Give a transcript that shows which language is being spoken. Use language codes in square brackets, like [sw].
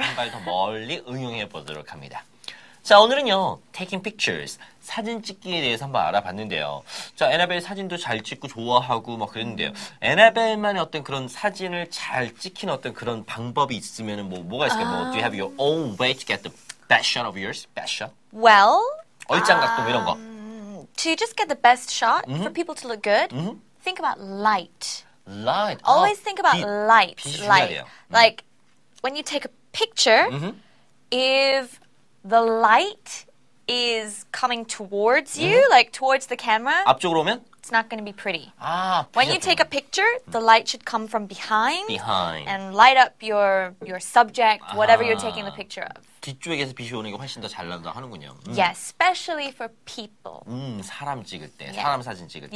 [ko] 한 발 더 멀리 응용해 보도록 합니다. 자, 오늘은요, [en] taking pictures, [ko] 사진 찍기에 대해서 한번 알아봤는데요. 자, 애나벨 사진도 잘 찍고 좋아하고 막 그랬는데요. 애나벨만의 어떤 그런 사진을 잘 찍힌 어떤 그런 방법이 있으면 뭐, 뭐가 있을까요? [en] Do you have your own way to get the best shot of yours? Best shot? Well, [ko] 얼짱 각도 이런 거. [en] to just get the best shot, mm-hmm. for people to look good, mm-hmm. think about light. Light. Always think about light. Light. Like, when you take a picture, mm-hmm. if the light is coming towards you, mm-hmm. like towards the camera, [ko] 앞쪽으로 오면? [en] It's not going to be pretty. [ko] 아, [en] when [ko] 비쳤구나. [en] You take a picture, the light should come from behind. Behind. And light up your subject, whatever you're taking the picture of. [ko] 뒤쪽에서 빛이 오는 게 훨씬 더 잘 난다 하는군요. [en] Yes, especially for people. [ko] 사람 찍을 때, 사람 사진 찍을 때.